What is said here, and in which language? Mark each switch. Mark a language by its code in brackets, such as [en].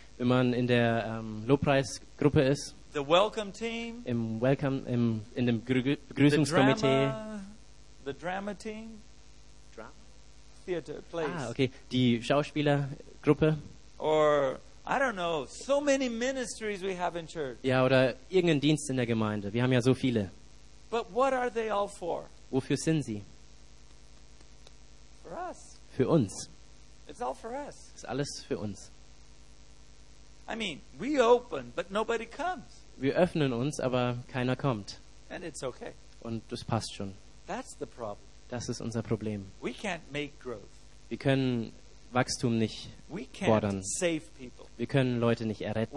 [de] wenn man in der Lobpreisgruppe ist, [en] the welcome team, [de] in dem Begrüßungskomitee, [en] the drama team. [de] Okay, die Schauspielergruppe. [en] Or I don't know, so many ministries we have in church. [de] Ja, oder irgendeinen Dienst in der Gemeinde. Wir haben ja so viele. [en] But what are they all for? [de] Wofür sind sie? [en] For us. [de] Für uns. [en] It's all for us. [de] Ist alles für uns. [en] I mean, we open, but nobody comes. [de] Wir öffnen uns, aber keiner kommt. [en] And it's okay. [de] Und das passt schon. [en] That's the problem. [de] Das ist unser Problem. [en] We can't make growth. [de] Wir können Wachstum nicht [en] we can't [de] fordern. [en] Save people. [de] Wir können Leute nicht erretten.